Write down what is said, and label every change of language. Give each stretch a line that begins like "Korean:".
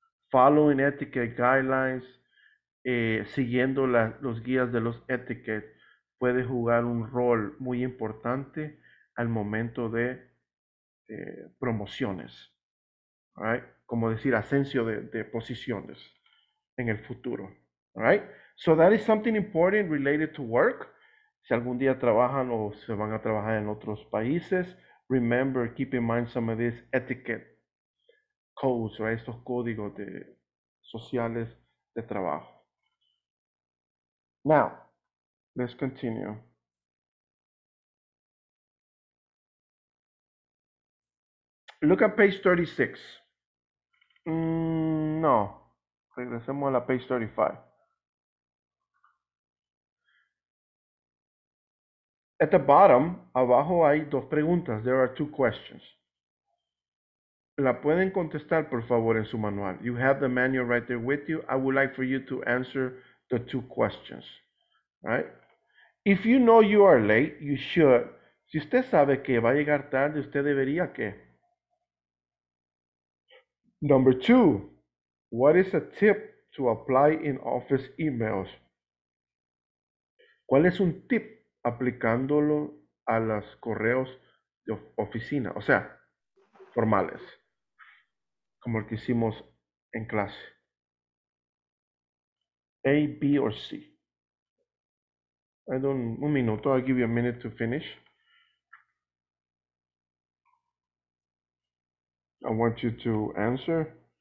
English: Following etiquette guidelines,
Spanish: siguiendo los guías de los etiquettes, puede jugar un rol muy importante al momento de promociones,
English: right?
Spanish: Como decir, ascenso de posiciones en el futuro,
English: right? So that is something important related to work.
Spanish: Si algún día trabajan o se van a trabajar en otros países,
English: remember, keep in mind some of these etiquette codes, right?
Spanish: Estos códigos de sociales de trabajo.
English: Now, let's continue. Look at page 36.
Spanish: No, regresemos a la page 35.
English: At the bottom,
Spanish: abajo hay dos preguntas.
English: There are two questions.
Spanish: La pueden contestar, por favor, en su manual.
English: You have the manual right there with you. I would like for you to answer the two questions. Right? If you know you are late, you should.
Spanish: Si usted sabe que va a llegar tarde, usted debería que.
English: Number two, what is a tip to apply in office emails?
Spanish: ¿Cuál es un tip aplicándolo a los correos de oficina? O sea, formales. Como el que hicimos en clase.
English: A, B, or C?
Spanish: Un minuto,
English: I'll give you a minute to finish. I want you to answer.